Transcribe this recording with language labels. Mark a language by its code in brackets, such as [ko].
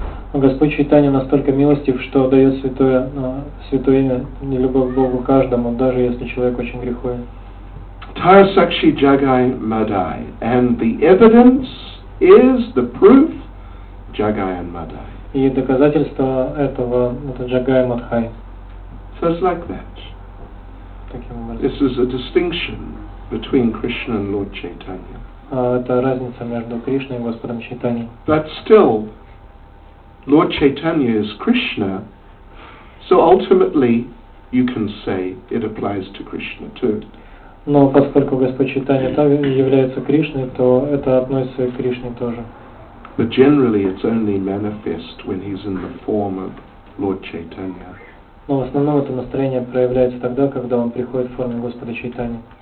[ru] Господь Чайтанья настолько милостив, что дает святое имя и любовь к Богу каждому, даже если человек очень греховен. [en] Tarasakshi Jagai Madai. And the evidence is the proof Jagai and Madai. [ru] И доказательство этого это Джагая Мадхай. [en] So it's like that. This is a distinction between Krishna and Lord Chaitanya. [ru] Это разница между Кришной и Господом Чайтани. [en] But still, Lord Chaitanya is Krishna, so ultimately you can say it applies to Krishna too. [ru] Но поскольку Господь Чайтанья также является Кришной, то это относится и к Кришне тоже. [en] But generally it's only manifest when he's in the form of Lord Chaitanya. [ru] Но в основном это настроение проявляется тогда, когда он приходит в форме Господа Чайтани.